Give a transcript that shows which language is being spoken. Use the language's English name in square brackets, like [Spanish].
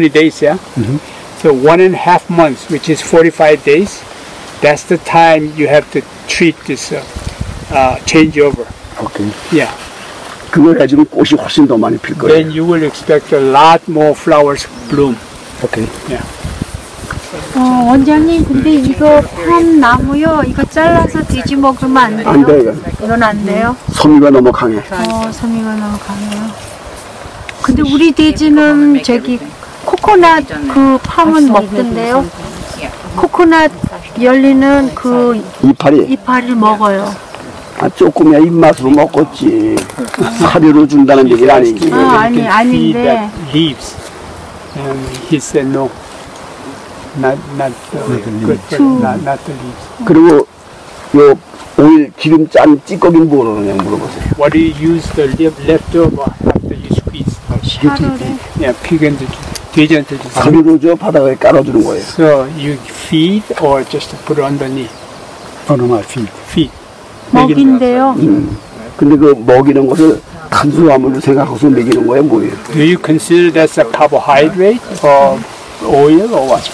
[English] So 1.5 months, which is 45 days, that's the time you have to treat this changeover. Okay. Yeah. [Korean] 그걸 해주면 꽃이 훨씬 더 많이 필 거예요. [English] Then you will expect a lot more flowers bloom. Okay. Yeah. [Korean] 원장님, 근데 이거 팜 나무요, 이거 잘라서 뒤집어 먹으면 안 돼요? 안 돼요. 이건 안 돼요? 섬유가 너무 강해. 섬유가 너무 강해요. 근데 우리 돼지는 저기 코코넛 그 팜은 먹던데요. 코코넛 열리는 그 이파리. 이파리를 먹어요. 아 조금이야 입맛으로 먹었지. 사료로 준다는 얘기 아니지. 아 아니 아닌데. [English] Leaves. And he said no. Not the leaves. Not the leaves. [Korean] 그리고 요 오일 기름 짠 찌꺼기는 뭐로 그냥 물어보세요. [English] What do you use the leftover after you squeeze? 샤르르. Yeah, pig and the. [Korean] 돼지한테 주세요. 사료로죠? 바닥에 깔아주는 거예요. [English] So you feed or just put underneath? Oh, no, my feed. Feed. [Korean] 먹인대요. 근데 그 먹이는 것을 탄수화물로 생각해서 먹이는 거예요, 뭐예요? [English] Do you consider that's a carbohydrate or oil or what?